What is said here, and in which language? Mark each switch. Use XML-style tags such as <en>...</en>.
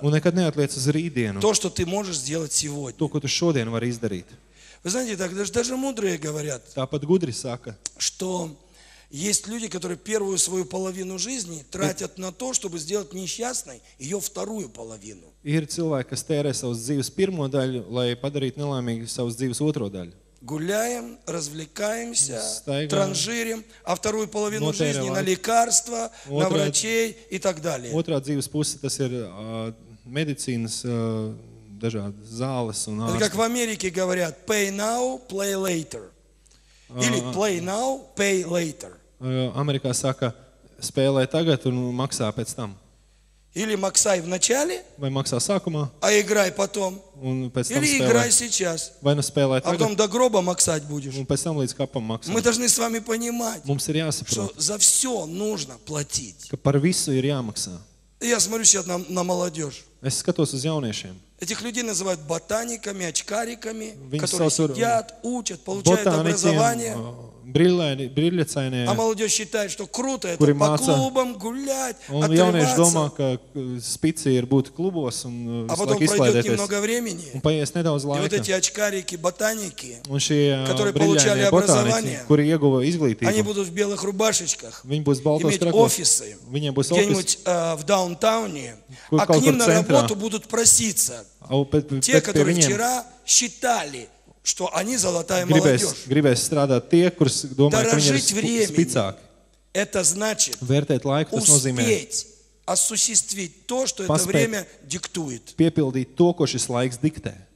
<lv>Un nekad neatliec uz rītdienu.</lv> <ru>То, что ты можешь сделать сегодня.</ru> <lv>То, ko tu šodien vari izdarīt.</lv> <ru>Вы знаете, так даже мудрые говорят.</ru> <lv>Tāpat gudri saka.</lv> <ru>Что есть люди, которые первую свою половину жизни тратят на то, чтобы сделать несчастной её вторую половину.</ru> <lv>Ir cilvēki, kas tērē savas dzīves pirmo daļu, lai padarītu nelaimīgu savas dzīves otro daļu.</lv> <ru>Гуляем, развлекаемся, транжирим, а вторую половину жизни на лекарства, на врачей и так далее.</ru> <lv>Otrā dzīves puse tas ir medicīnas dažādas zāles un ārsti.</lv> <ru>Как в Америке говорят:</ru> <en>pay now, play later.</en> <ru>Или</ru> <en>play now, pay later.</en> <lv>Amerikā saka: spēlē tagad un maksā pēc tam.</lv> <ru>Или максай в начале?</ru> <lv>Vai maksā sākumā?</lv> <ru>А играй потом.</ru> <lv>Un pēc</lv> <ru>или</ru> <lv>tam</lv> <ru>играй сейчас.</ru> <lv>Vai nu spēlē tagad?</lv> <ru>А потом до гроба максать будешь.</ru> <lv>Un pēc tam līdz kapam maksāt.</lv> <ru>Мы должны с вами понимать.</ru> <lv>Mums ir jāsaprot.</lv> <ru>Что за всё нужно платить.</ru> <lv>Ka par visu ir jāmaksā.</lv> <ru>Я смотрю сейчас на молодёжь.</ru> <lv>Es skatos uz jauniešiem.</lv> <ru>Этих людей называют ботаниками, очкариками, которые сидят, учат, получают образование.</ru> <lv>Brīļacainie.</lv> <ru>А молодёжь считает, что круто это по клубам гулять,</ru> <lv>un jaunieši domā, ka spici ir būt klubos un tā izklaidēties.</lv> <ru>А потом пройдёт немного времени.</ru> <lv>Nedaudz laika.</lv> <ru>И вот эти очкарики, ботаники,</ru> <lv>un šie brīļainie ботаники, kuri ieguva izglītību.</lv> <ru>Они будут в белых рубашечках.</ru> <lv>Viņi būs baltos krakos. Viņiem būs офисы.</lv> <ru>Где-нибудь в даунтауне. А к ним на работу будут проситься. Те, которые вчера считали, что они золотая молодёжь.</ru> <lv>Gribēs strādāt tie, kurus domāju, ka viņi ir spicāki.</lv> <ru>Это значит</ru> <lv>vērtēt laiku, tas nozīmē</lv> <ru>осуществить то, что это время диктует.</ru> <lv>Piepildīt to, ko šis laiks diktē.</lv>